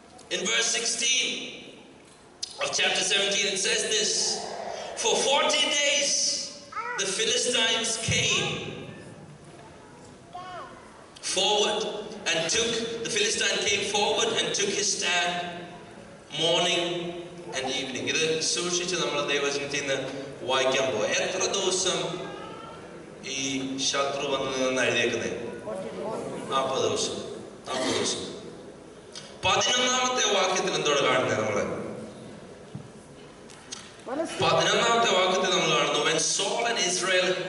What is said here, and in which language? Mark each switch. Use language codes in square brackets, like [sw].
[en] In verse 16 of chapter 17, it says this: for 40 days the Philistines came forward and took, the Philistine came forward and took his stand morning and evening. [ml] ഇത് സൂക്ഷിച്ച് നമ്മൾ ദൈവവചനത്തിൽ നിന്ന് വായിക്കാൻ പോവുക. എത്ര ദിവസം ഈ ശത്രു വന്ന് നിന്ന് എഴുതിയേക്കുന്നത്? [en] 40 days. 40 days. 11th [ml] വാക്യത്തിൽ എന്തോട് കാണുന്നത് നമ്മൾ? [en] 11th [ml] വാക്യത്തിൽ നമ്മൾ കാണുന്നു, [en] when Saul and Israel